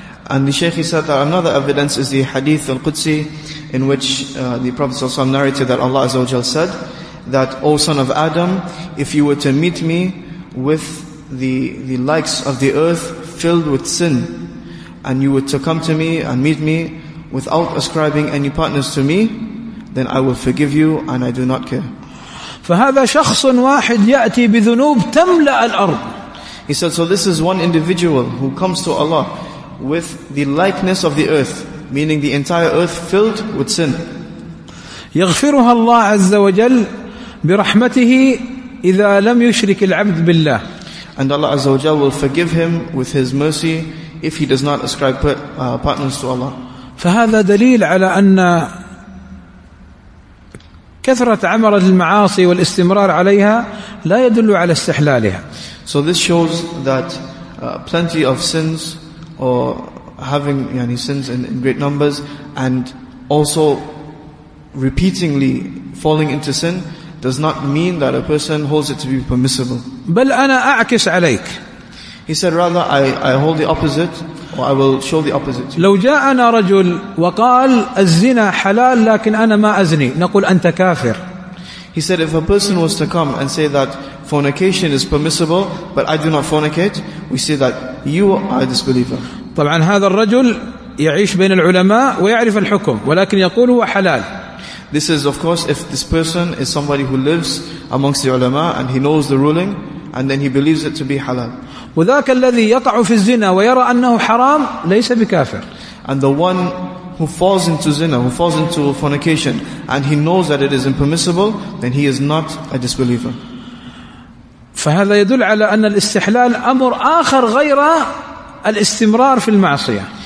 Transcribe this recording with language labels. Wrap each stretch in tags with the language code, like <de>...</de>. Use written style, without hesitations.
<en>And the Shaykh said that another evidence is the hadith al-Qudsi in which the Prophet ﷺ narrated that Allah عز وجل said that, O son of Adam, if you were to meet me with the likes of the earth filled with sin, and you were to come to me and meet me without ascribing any partners to me, then I will forgive you and I do not care.</en> <ar>فهذا شخص واحد يأتي بذنوب تملأ الأرض.</ar> <en>He said, so this is one individual who comes to Allah with the likeness of the earth, meaning the entire earth filled with sin.</en> <ar>يغفرها الله عز وجل برحمته إذا لم يشرك العبد بالله.</ar> <en>And Allah Azza wa Jalla will forgive him with his mercy if he does not ascribe partners to Allah.</en> <ar>فهذا دليل على أن كثرة عمر المعاصي والاستمرار عليها لا يدل على استحلالها.</ar> <en>So this shows that plenty of sins or having يعني sins in great numbers and also repeatedly falling into sin does not mean that a person holds it to be permissible.</en> <ar>بل أنا أعكس عليك.</ar> <en>He said, rather, I hold the opposite, or I will show the opposite to you.</en> <ar>لو جاءنا رجل وقال الزنا حلال لكن أنا ما أزني نقول أنت كافر.</ar> <en>He said, if a person was to come and say that fornication is permissible, but I do not fornicate, we say that you are a disbeliever.</en> <ar>طبعا هذا الرجل يعيش بين العلماء ويعرف الحكم ولكن يقول هو حلال.</ar> <en>This is, of course, if this person is somebody who lives amongst the ulama and he knows the ruling and then he believes it to be halal.</en> <ar>وذاك الذي يقع في الزنا ويرى أنه حرام ليس بكافر.</ar> <en>And the one who falls into zina, who falls into fornication and he knows that it is impermissible, then he is not a disbeliever.</en> <ar>فهذا يدل على أن الاستحلال أمر آخر غير الاستمرار في المعصية.</ar>